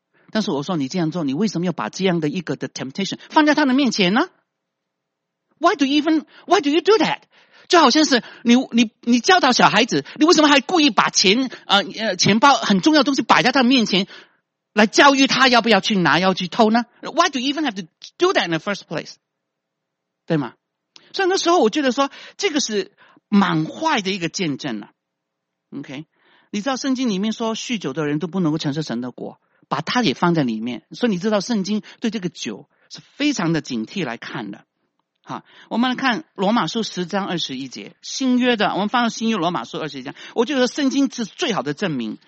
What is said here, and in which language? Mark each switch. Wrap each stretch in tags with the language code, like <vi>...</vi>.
<zh>但是我说你这样做，你为什么要把这样的一个的 temptation 放在他的面前呢？</zh> <en>Why do you do that?</en> <zh>就好像是你教导小孩子，你为什么还故意把钱包很重要的东西摆在他的面前，来教育他要不要去拿，要去偷呢？</zh> <en>Why do you even have to do that in the first place?</en> <zh>对吗？所以那时候我觉得说这个是蛮坏的一个见证了。 OK， 你知道圣经里面说酗酒的人都不能够承受神的国，把它也放在里面，所以你知道圣经对这个酒是非常的警惕来看的。好，我们来看罗马书10章21节，新约的，我们放到新约罗马书21章，我觉得圣经是最好的证明。</zh>